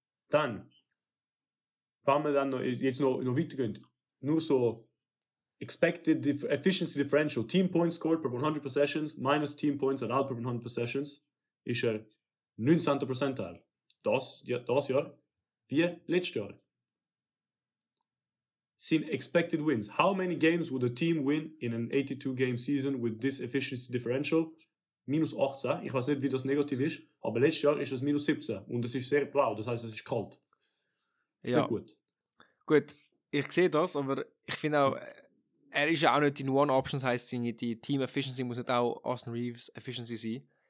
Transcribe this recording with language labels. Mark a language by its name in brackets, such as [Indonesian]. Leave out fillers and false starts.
[German] Dann, wenn wir dann noch weitergehen, nur so [English] Expected Efficiency Differential, Team Points Scored per 100 Possessions [German] minus Team Points Allowed per 100 Possessions, ist er 19. Percentile. Das Jahr wie letztes Jahr. [English] Seen expected wins. How many games would a team win in an 82-game season with this efficiency differential? [German] Minus 18. Ich weiß nicht, wie das negativ ist, aber letztes Jahr ist es minus 17 und es ist sehr blau, das heißt, es ist kalt. Ja. Nicht gut. Gut, ich sehe das, aber ich finde auch, er ist ja auch nicht in One Options, heißt die Team Efficiency muss nicht auch Austin Reeves Efficiency sein.